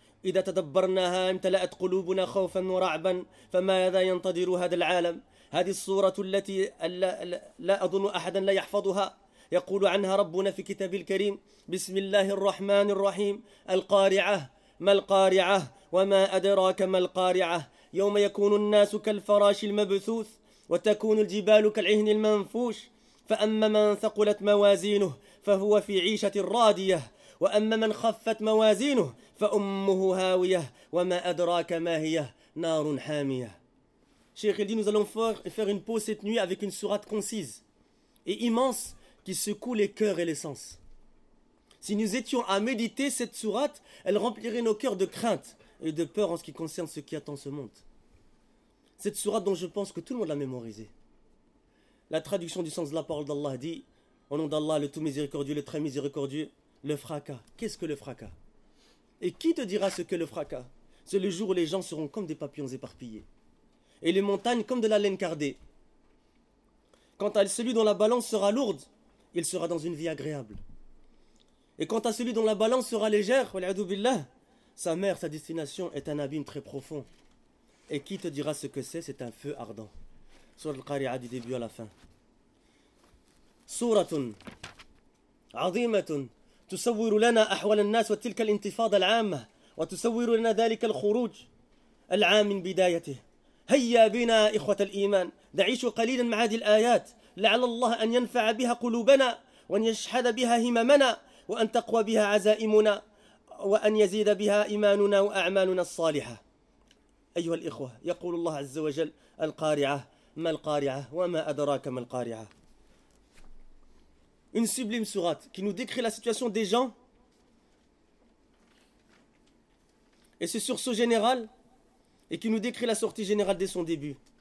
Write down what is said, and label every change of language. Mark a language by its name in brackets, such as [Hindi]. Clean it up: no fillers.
[Arabic] إذا تدبرناها امتلأت قلوبنا خوفا ورعبا، فماذا ينتظر هذا العالم؟ هذه الصورة التي لا أظن أحدا لا يحفظها، يقول عنها ربنا في كتاب الكريم: بسم الله الرحمن الرحيم، القارعة، ما القارعة وما أدراك ما القارعة؟ يوم يكون الناس كالفراش المبثوث وتكون الجبال كالعهن المنفوش، فأما من ثقلت موازينه فهو في عيشة راضية، وأما من خفت موازينه فأمه هاوية، وما أدراك ما هي؟ نار حامية. [French] Cheikh Eldi, nous allons faire une pause cette nuit avec une sourate concise et immense qui secoue les cœurs et les sens. Si nous étions à méditer cette sourate, elle remplirait nos cœurs de crainte et de peur en ce qui concerne ce qui attend ce monde. Cette sourate dont je pense que tout le monde l'a mémorisée. La traduction du sens de la parole d'Allah dit: au nom d'Allah, le tout miséricordieux, le très miséricordieux, le fracas. Qu'est-ce que le fracas? Et qui te dira ce que le fracas? C'est le jour où les gens seront comme des papillons éparpillés et les montagnes comme de la laine cardée. Quant à celui dont la balance sera lourde, il sera dans une vie agréable. Et quant à celui dont la balance sera légère, wal'adhu billah, sa mère, sa destination est un abîme très profond. Et qui te dira ce que c'est? C'est un feu ardent. Sourate Al-Qari'a du début à la fin. [Arabic] Sourate azimah تصور لنا أحوال الناس وتلك الانتفاضة العامة وتصور لنا ذلك الخروج العام من بدايته. هيا بنا إخوة الإيمان نعيش قليلا مع هذه الآيات، لعل الله أن ينفع بها قلوبنا وأن يشحد بها هممنا وأن تقوى بها عزائمنا وأن يزيد بها إيماننا وأعمالنا الصالحة. [French] أيها الإخوة، يقول الله عز وجل: القارعة، ما القارعة وما أدراك ما القارعة؟ Une sublime sourate qui nous décrit la situation des gens et ce sursaut général, et qui nous décrit la sortie générale dès son début.